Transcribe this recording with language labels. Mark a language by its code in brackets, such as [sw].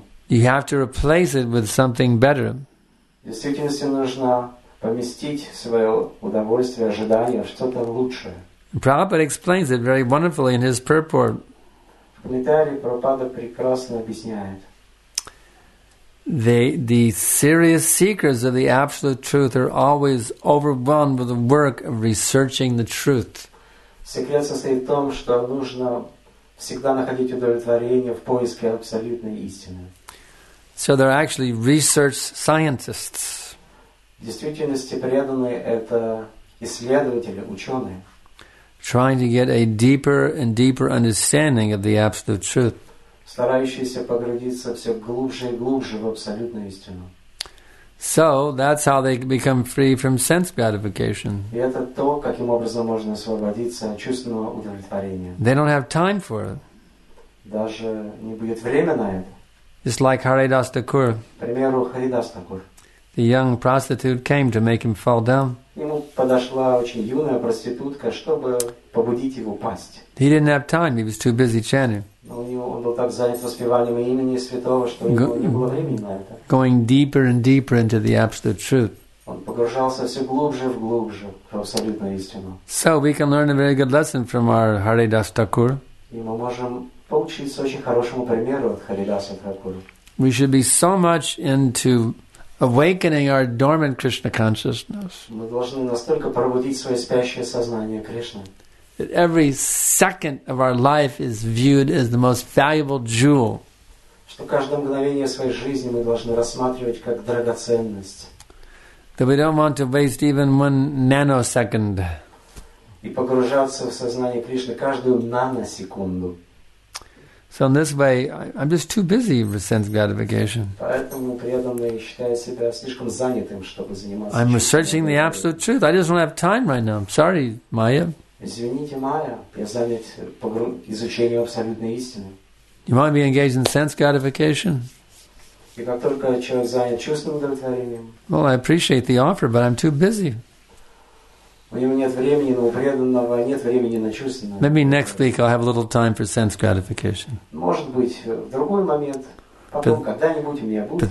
[en] You have to replace it with something better. [ru] Поместить свое удовольствие, ожидание в что-то лучшее. [en] Prabhupada explains it very wonderfully in his purport. [ru] В комментарии Прабхупада прекрасно объясняет. [en] The serious seekers of the absolute truth are always overwhelmed with the work of researching the truth. [ru] Секрет состоит в том, что нужно всегда находить удовлетворение в поиске абсолютной истины. [en] So they're actually research scientists. [ru] В действительности преданные — это исследователи, ученые. [en] Trying to get a deeper and deeper understanding of the absolute truth. [ru] Старающиеся погрузиться все глубже и глубже в абсолютную истину. [en] So that's how they become free from sense gratification. [ru] И это то, каким образом можно освободиться от чувственного удовлетворения. [en] They don't have time for it. [ru] Даже не будет времени на это. [en] It's like Haridas Thakur. [ru] К примеру, Haridas Thakur. [en] The young prostitute came to make him fall down. [ru] Ему подошла очень юная проститутка, чтобы побудить его пасть. [en] He didn't have time, he was too busy chanting. [ru] Он был так занят воспеванием имени святого, что у него не было времени на это. [en] Going deeper and deeper into the absolute truth. [ru] Он погружался все глубже и глубже в абсолютную истину. [en] So we can learn a very good lesson from our Haridas Thakur. [ru] И мы можем поучиться очень хорошему примеру от Харидаса Такура. [en] We should be so much into awakening our dormant Krishna consciousness. [ru] Мы должны настолько пробудить свое спящее сознание Кришны. [en] That every second of our life is viewed as the most valuable jewel. [ru] Что каждое мгновение своей жизни мы должны рассматривать как драгоценность. [en] That we don't want to waste even one nanosecond. [ru] И погружаться в сознание Кришны каждую наносекунду. [en] So in this way, I'm just too busy for sense gratification. [ru] Поэтому преданный считает себя слишком занятым, чтобы заниматься. [en] I'm researching the absolute truth. I just don't have time right now. Sorry, Maya. [ru] Извините, Майя, я занят изучением абсолютной истины. [en] You might be engaged in sense gratification. [ru] И как только человек занят чувственным удовлетворением. [en] Well, I appreciate the offer, but I'm too busy. [ru] У него нет времени, но у преданного нет времени на чувственное. [en] Maybe next week I'll have a little time for sense gratification. [ru] Может быть, в другой момент, потом, but, когда-нибудь у меня будет.